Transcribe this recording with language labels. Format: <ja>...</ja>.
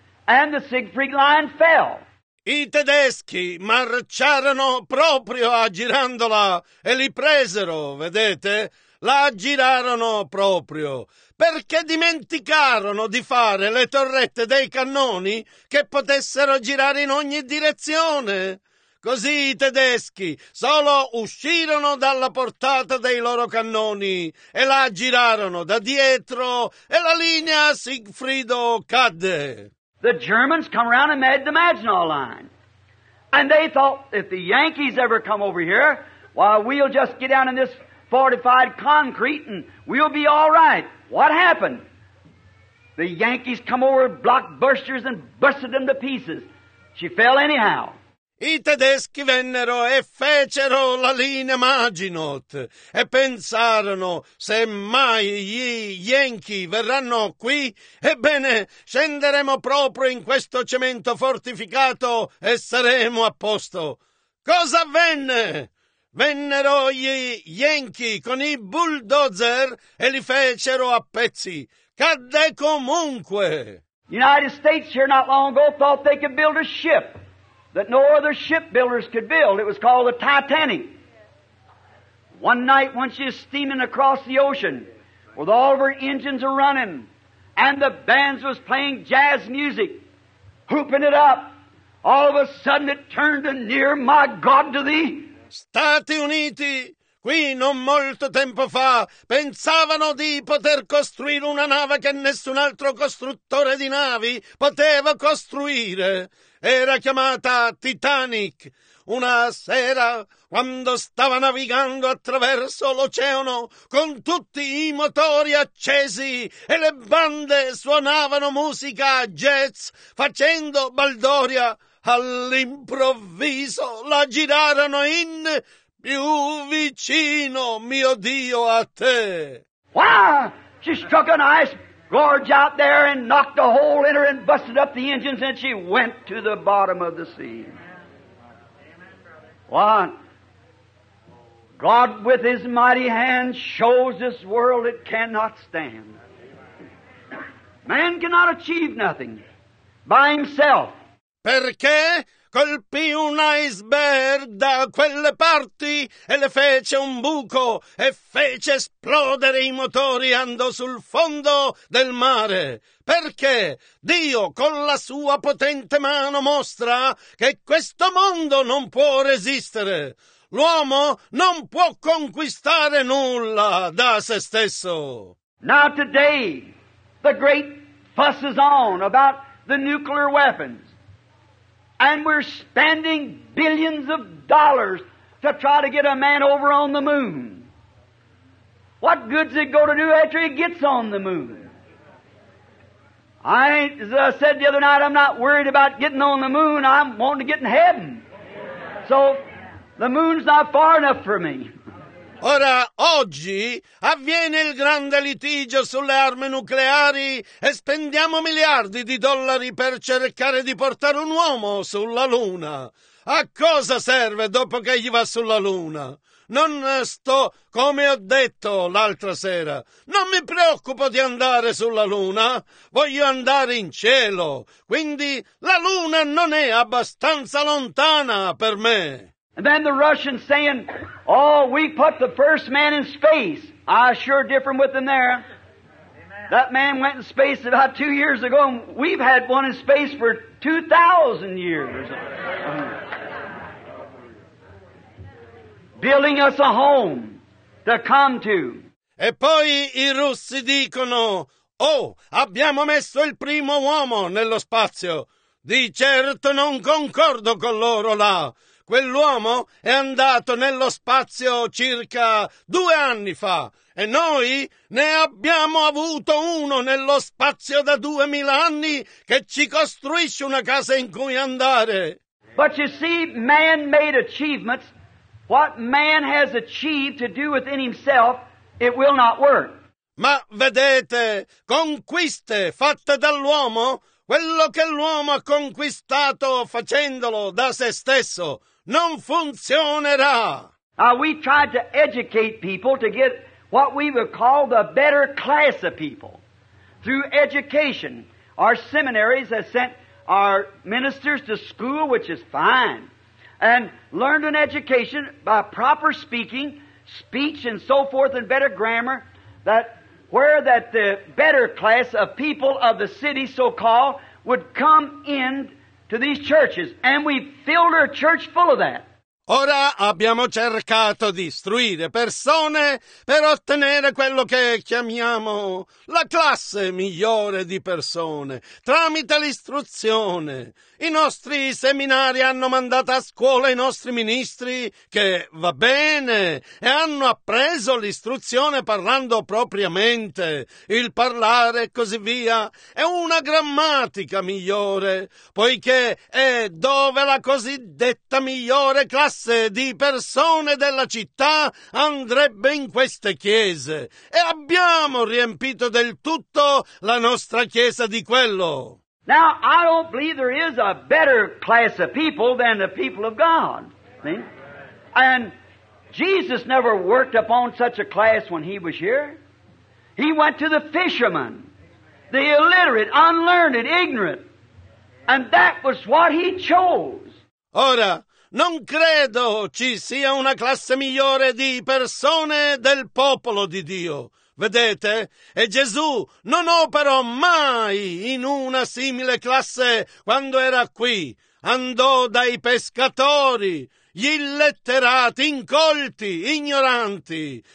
<en>And the Siegfried line fell.</en> <it>I tedeschi marciarono proprio a girandola e li presero, vedete? La girarono proprio, perché dimenticarono di fare le torrette dei cannoni che potessero girare in ogni direzione. Così i tedeschi solo uscirono dalla portata dei loro cannoni e la girarono da dietro e la linea Siegfriedo cadde.</it> <en>The Germans come around and made the Maginot line. And they thought, if the Yankees ever come over here, why, we'll just get down in this fortified concrete and we'll be all right. What happened? The Yankees come over, blockbusters, and busted them to pieces. She fell anyhow.</en> <it>I tedeschi vennero e fecero la linea Maginot e pensarono: se mai gli Yankee verranno qui, ebbene scenderemo proprio in questo cemento fortificato e saremo a posto. Cosa avvenne? Vennero gli Yankee con i bulldozer e li fecero a pezzi. Cadde comunque.</it> <en>United States here not long ago thought they could build a ship that no other shipbuilders could build. It was called the Titanic. One night when she was steaming across the ocean with all of her engines a-running and the bands was playing jazz music, hooping it up, all of a sudden it turned to near my God to thee.</en> <it>Stati Uniti, qui non molto tempo fa, pensavano di poter costruire una nave che nessun altro costruttore di navi poteva costruire. Era chiamata Titanic. Una sera, quando stava navigando attraverso l'oceano, con tutti i motori accesi e le bande suonavano musica jazz, facendo baldoria, all'improvviso la girarono in più vicino, mio Dio, a te.</it> <en>Wow! She struck an ice gorge out there and knocked a hole in her and busted up the engines and she went to the bottom of the sea. What? God with His mighty hand shows this world it cannot stand. Man cannot achieve nothing by himself.</en> <it>Perché colpì un iceberg da quelle parti e le fece un buco e fece esplodere i motori e andò sul fondo del mare. Perché Dio con la sua potente mano mostra che questo mondo non può resistere. L'uomo non può conquistare nulla da se stesso.</it> <en>Now today the great fuss is on about the nuclear weapons. And we're spending billions of dollars to try to get a man over on the moon. What good's it go to do after he gets on the moon? I ain't, as I said the other night, I'm not worried about getting on the moon. I'm wanting to get in heaven. So the moon's not far enough for me.</en> <it>Ora, oggi, avviene il grande litigio sulle armi nucleari e spendiamo miliardi di dollari per cercare di portare un uomo sulla Luna. A cosa serve dopo che gli va sulla Luna? Non sto, come ho detto l'altra sera, non mi preoccupo di andare sulla Luna, voglio andare in cielo. Quindi la Luna non è abbastanza lontana per me.</it> <en>And then the Russians saying, oh, we put the first man in space. I sure differ with them there. Amen. That man went in space about 2 years ago, and we've had one in space for 2,000 years. Building us a home to come to.</en> <it>E poi i russi dicono: oh, abbiamo messo il primo uomo nello spazio. Di certo non concordo con loro là. Quell'uomo è andato nello spazio circa 2 anni fa e noi ne abbiamo avuto uno nello spazio da 2000 anni che ci costruisce una casa in cui andare.</it> <en>But you see, man-made achievements, what man has achieved to do within himself, it will not work.</en> <it>Ma vedete, conquiste fatte dall'uomo, quello che l'uomo ha conquistato facendolo da se stesso, non funzionerà.</it> <en>We tried to educate people to get what we would call the better class of people. Through education, our seminaries have sent our ministers to school, which is fine, and learned an education by proper speaking, speech and so forth, and better grammar, that where that the better class of people of the city, so-called, would come in to these churches, and we filled our church full of that.</en> <it>Ora abbiamo cercato di istruire persone per ottenere quello che chiamiamo la classe migliore di persone, tramite l'istruzione. I nostri seminari hanno mandato a scuola i nostri ministri, che va bene, e hanno appreso l'istruzione parlando propriamente, il parlare e così via. È una grammatica migliore, poiché è dove la cosiddetta migliore classe di persone della città andrebbe in queste chiese, e abbiamo riempito del tutto la nostra chiesa di quello.</it> <en>Now, I don't believe there is a better class of people than the people of God. See? And Jesus never worked upon such a class when he was here. He went to the fishermen, the illiterate, unlearned, ignorant, and that was what he chose.</en> <it>Ora, non credo ci sia una classe migliore di persone del popolo di Dio. Vedete? E Gesù non operò mai in una simile classe quando era qui. Andò dai pescatori, gli illetterati, incolti, ignoranti.</it>